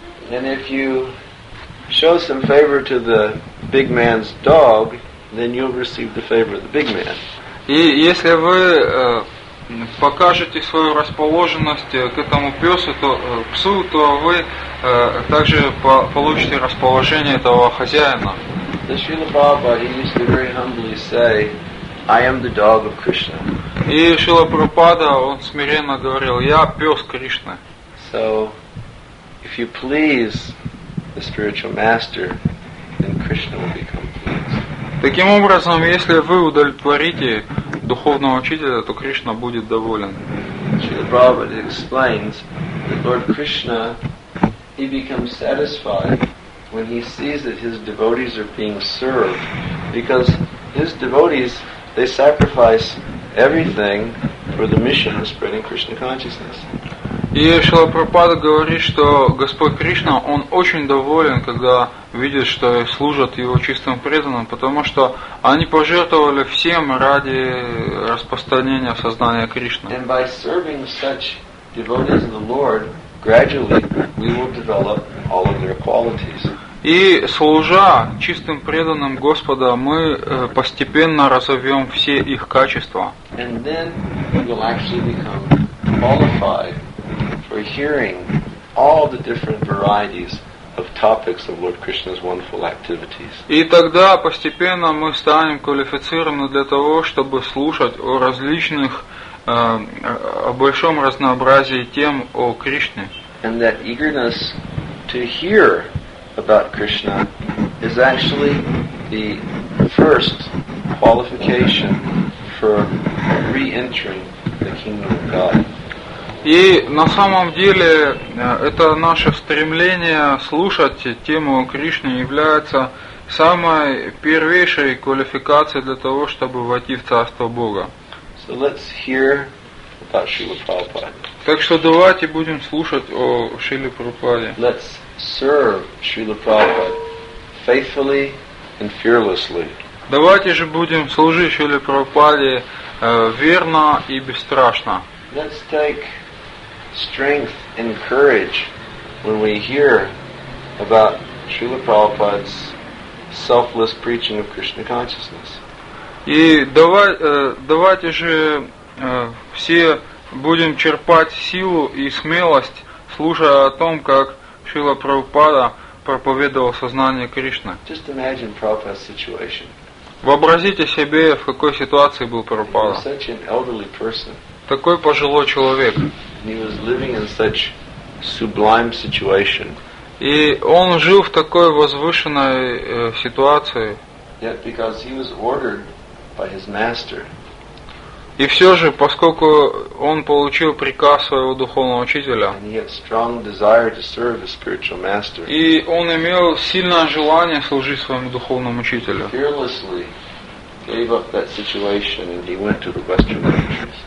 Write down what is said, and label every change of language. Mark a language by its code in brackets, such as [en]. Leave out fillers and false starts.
[en] And if you show some favor to the big man's dog, then you'll receive the favor of the big man. [ru] И если вы покажете свою расположенность к этому пёсу, то псу, то вы также получите расположение этого хозяина. [en] Srila Prabhupada used to very humbly say, I am the dog of Krishna. [ru] И Шрила Прабхупада, он смиренно говорил, я пёс Кришны. [en] So, if you please the spiritual master, then Krishna will become pleased. [ru] Таким образом, если вы удовлетворите духовного учителя, то Кришна будет доволен. [en] Srila Prabhupada explains that Lord Krishna, he becomes satisfied when he sees that his devotees are being served, because his devotees, they sacrifice everything for the mission of spreading Krishna consciousness. [ru] И Шрила Прабхупада говорит, что Господь Кришна, Он очень доволен, когда видит, что служат Его чистым преданным, потому что они пожертвовали всем ради распространения сознания Кришны. [en] And by serving such devotees in the Lord, gradually we will develop all of their qualities. [ru] И служа чистым преданным Господа, мы постепенно разовьем все их качества. [en] And then we will actually become qualified for hearing all the different varieties of topics of Lord Krishna's wonderful activities. [ru] И тогда постепенно мы станем квалифицированы для того, чтобы слушать о различных, о большом разнообразии тем о Кришне. [en] And that eagerness to hear about Krishna is actually the first qualification for re-entering the kingdom of God. [ru] И на самом деле это наше стремление слушать тему Кришны является самой первейшей квалификацией для того, чтобы войти в Царство Бога. [en] So let's hear about Srila Prabhupada. [ru] Так что давайте будем слушать о Шриле Прабхупаде. [en] Let's serve Srila Prabhupada faithfully and fearlessly. [ru] Давайте же будем служить Шриле Прабхупаде верно и бесстрашно. [en] Let's take strength and courage when we hear about Srila Prabhupada's selfless preaching of Krishna consciousness. [ru] И давайте же все будем черпать силу и смелость, слушая о том, как Шрила Прабхупада проповедовал сознание Кришны. [en] Just imagine Prabhupada's situation. [ru] Вообразите себе, в какой ситуации был Прабхупада. [en] He was such an elderly person. [ru] Такой пожилой человек. [en] He was living in such sublime situation. [ru] И он жил в такой возвышенной ситуации. [en] Yet because he was ordered by his master. [ru] И все же, поскольку он получил приказ своего духовного учителя, [en] and he had strong desire to serve his spiritual master, [ru] и он имел сильное желание служить своему духовному учителю, [en] he fearlessly gave up that situation and he went to the Western countries.